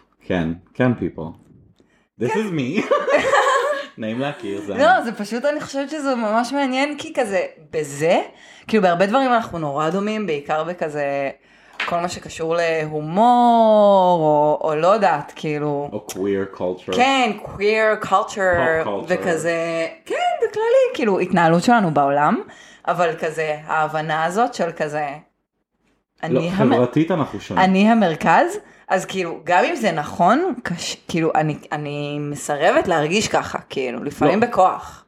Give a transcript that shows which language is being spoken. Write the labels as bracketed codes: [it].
[he] כן, כן, people. [en] This is me. [he] נעים להכיר, זה... לא, זה פשוט, אני חושבת שזה ממש מעניין, כי כזה, בזה, כאילו בהרבה דברים אנחנו נורא דומים, בעיקר בכזה, כל מה שקשור להומור, או לא יודעת, כאילו... [en] או queer culture. [he] כן, [en] queer culture. Pop culture. [he] וכזה, כן, בכללי, כאילו, התנהלות שלנו בעולם, אבל כזה, ההבנה הזאת של כזה... אני לא, חברתית אנחנו שונים. אני המרכז, אז כאילו, גם אם זה נכון, כאילו, אני מסרבת להרגיש ככה, כאילו, לפעמים בכוח.